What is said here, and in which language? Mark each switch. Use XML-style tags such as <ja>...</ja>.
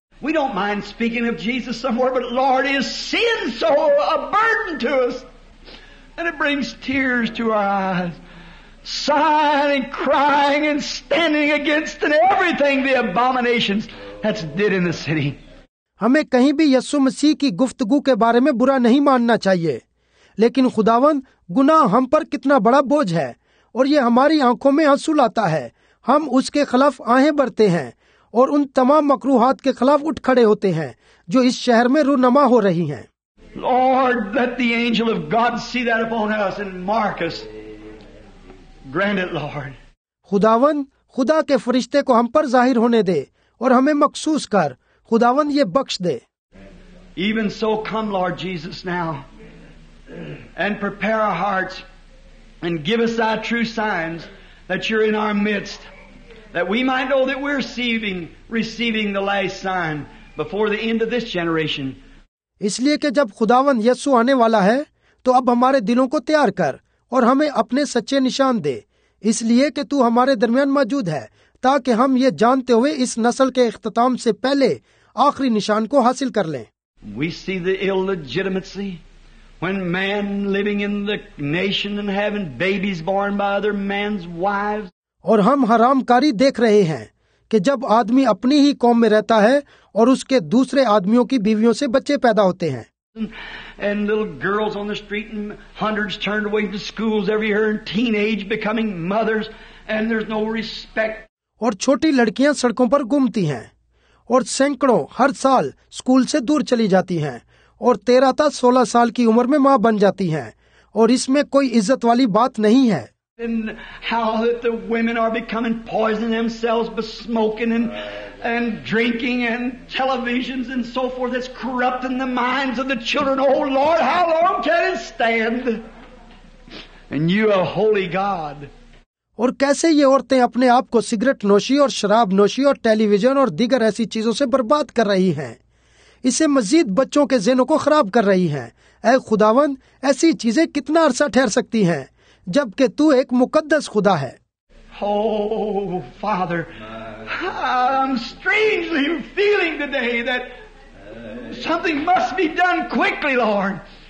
<en>We don't mind speaking of Jesus somewhere, but Lord, is sin so a burden to us? And it brings tears to our eyes. Sighing and crying and standing against and everything the abominations that's did in the city.</en> <ur>ہمیں کہیں بھی یسوع مسیح کی گفتگو کے بارے میں برا نہیں ماننا چاہیے لیکن خداوند گناہ ہم پر کتنا بڑا بوجھ ہے اور یہ ہماری آنکھوں میں آنسو لاتا ہے ہم اس کے خلاف آہیں بھرتے ہیں اور ان تمام مکروہات کے خلاف اٹھ کھڑے ہوتے ہیں جو اس شہر میں رونما ہو رہی ہیں</ur> <en>Lord, let the angel of God see that upon us and mark us. Grant it, Lord.</en> <ur>خداوند خدا کے فرشتے کو ہم پر ظاہر ہونے دے اور ہمیں مخصوص کر خداوند یہ بخش دے</ur> <en>Even so, come, Lord Jesus, now and prepare our hearts and give us thy true signs that you're in our midst that we might know that we're receiving the last sign before the end of this generation.</en> <ur>اس لیے کہ جب خداوند یسوع آنے والا ہے تو اب ہمارے دلوں کو تیار کر اور ہمیں اپنے سچے نشان دے اس لیے کہ تو ہمارے درمیان موجود ہے تاکہ ہم یہ جانتے ہوئے اس نسل کے اختتام سے پہلے آخری نشان کو حاصل کر لیں</ur> <en>We see the illegitimacy when man living in the nation and having babies born by other man's wives.</en> <ur>اور ہم حرام کاری دیکھ رہے ہیں کہ جب آدمی اپنی ہی قوم میں رہتا ہے اور اس کے دوسرے آدمیوں کی بیویوں سے بچے پیدا ہوتے ہیں</ur> <en>And little girls on the street and hundreds turned away from schools every year and teenage becoming mothers and there's no respect.</en> <ur>اور چھوٹی لڑکیاں سڑکوں پر گھومتی ہیں اور سینکڑوں ہر سال سکول سے دور چلی جاتی ہیں اور 13 تا 16 سال کی عمر میں ماں بن جاتی ہیں اور اس میں کوئی عزت والی بات نہیں ہے</ur> <en>And how that the women are becoming poisoning themselves by smoking and drinking and televisions and so forth that's corrupting the minds of the children. Oh, Lord, how long can it stand? And you are holy God.</en> <ur>اور کیسے یہ عورتیں اپنے آپ کو cigarette نوشی اور شراب نوشی اور ٹیلی ویژن اور دیگر ایسی چیزوں سے برباد کر رہی ہیں اسے مزید بچوں کے ذہنوں کو خراب کر رہی ہیں اے خداوند ایسی چیزیں کتنا عرصہ ٹھہر سکتی ہیں جبکہ تو ایک مقدس خدا ہے</ur> <en>Oh, Father, I'm strangely feeling today that something must be done quickly, Lord.</en>